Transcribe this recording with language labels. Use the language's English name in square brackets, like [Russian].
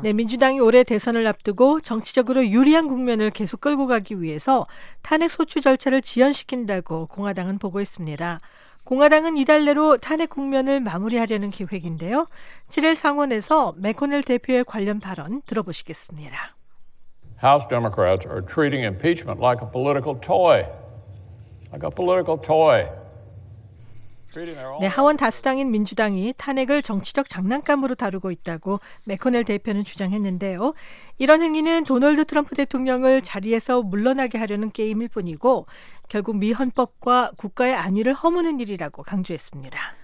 [Korean] 네, 민주당이 올해 대선을 앞두고 정치적으로 유리한 국면을 계속 끌고 가기 위해서 탄핵 소추 절차를 지연시킨다고 공화당은 보고 있습니다. 공화당은 이달 내로 탄핵 국면을 마무리하려는 계획인데요. 7일 상원에서 맥코넬 대표의 관련 발언 들어보시겠습니다. [English] House Democrats are treating impeachment like a political toy. Like a political toy. [Korean] 네, 하원 다수당인 민주당이 탄핵을 정치적 장난감으로 다루고 있다고 맥코넬 대표는 주장했는데요. 이런 행위는 도널드 트럼프 대통령을 자리에서 물러나게 하려는 게임일 뿐이고 결국 미 헌법과 국가의 안위를 허무는 일이라고 강조했습니다.